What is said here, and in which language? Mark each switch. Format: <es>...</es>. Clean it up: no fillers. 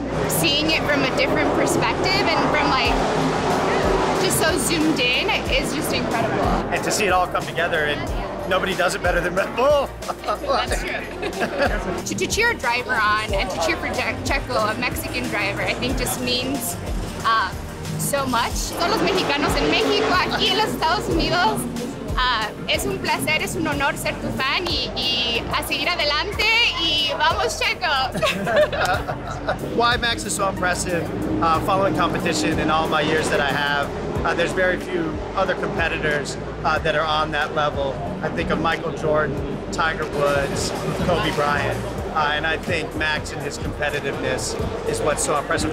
<en>Seeing it from a different perspective and from like just so zoomed in is just incredible. And to see it all come together, and nobody does it better than Red Bull. That's true. To cheer a driver on and to cheer for Checo, a Mexican driver, I think just means so much.</en> <es>Todos los mexicanos en México, aquí en los Estados Unidos, es un placer, es un honor ser tu fan y a seguir adelante y vamos Checo.</es> <en>Why Max is so impressive, following competition in all my years that I have, there's very few other competitors that are on that level. I think of Michael Jordan, Tiger Woods, Kobe Bryant. And I think Max and his competitiveness is what's so impressive.</en>